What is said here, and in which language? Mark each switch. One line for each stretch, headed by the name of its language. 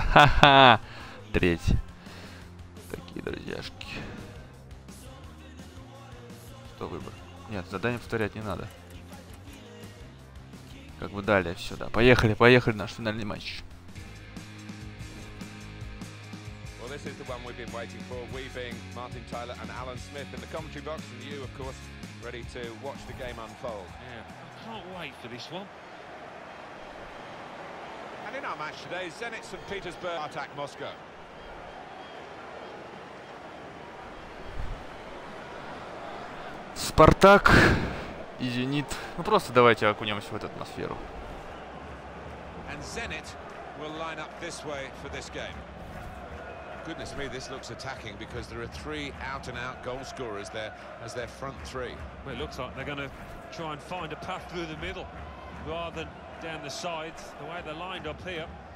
Russian: Ха-ха! Третий. Такие друзьяшки. Что выбор? Нет, задание повторять не надо. Как бы далее все, да. Поехали наш финальный матч.
English: Well, this is the one we've been waiting for. We being Martin Tyler and Alan Smith in the commentary box, and you, of course, ready to watch the game unfold. Yeah. I can't wait for this one. And in our match today, Zenit St. Petersburg attack Moscow.
Russian: Спартак и Зенит. Ну просто давайте окунемся в эту атмосферу.
English: And Zenit will line up this way for this game. Goodness me, this looks attacking because there are three out-and-out goal scorers there as their front three. Well, it looks like they're going to try and find a path through the middle rather than down the sides, the way they're lined up here.